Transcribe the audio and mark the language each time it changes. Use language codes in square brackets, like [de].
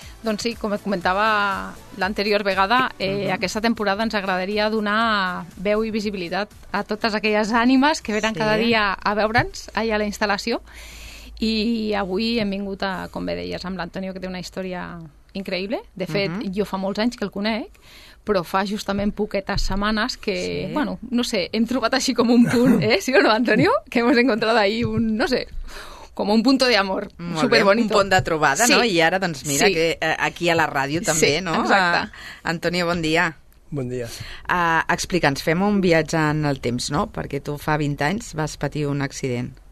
[ca] Doncs sí, com et comentava l'anterior vegada, aquesta temporada ens agradaria donar veu i visibilitat a totes aquelles ànimes que venen cada dia a veure'ns allà a la instal·lació. I avui hem vingut, a, com bé deies, amb l'Antonio, que té una història increïble. De fet, jo fa molts anys que el conec, però fa justament poquetes setmanes que, bueno, no sé, hem trobat així com un punt, sí o no, Antonio? [es] Que hemos encontrado ahí un, no sé, como un punto de amor. [ca] Molt [es] superbonito. [ca] Bé, un punt de trobada, no? I ara, doncs, mira, que aquí a la ràdio també, no? Sí, exacte. Antonio, bon dia. Bon dia. Explica'ns, fem un viatge en el temps, no? Perquè tu fa 20 anys vas patir un accident.